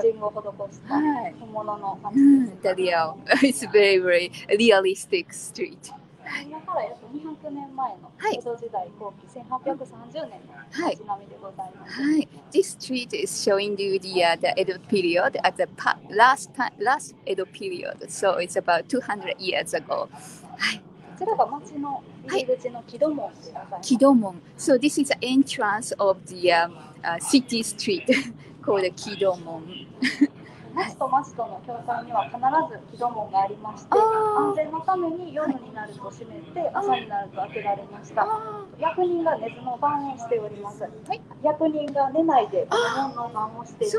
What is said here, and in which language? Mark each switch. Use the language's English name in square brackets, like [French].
[Japanese] はい、エイジングを施した本物の街です。 [English] It's very, very realistic street. [Japanese] 今から約200年前の江戸時代後期、1830年の街並みでございます。はい。 [English] This street is showing you the Edo period at the last Edo period. So it's about 200 years ago. はい。 [Japanese] こちらが町の入り口の木戸門でございます。木戸門。 [English] So this is the entrance of the city street called the 木戸門。 [Japanese] 町と町との境界には必ず木戸門がありまして、安全のために夜になると閉めて、はい、朝になると開けられました。役人が寝ずの番をしております。はい、役人が寝ないで木戸門の番をしています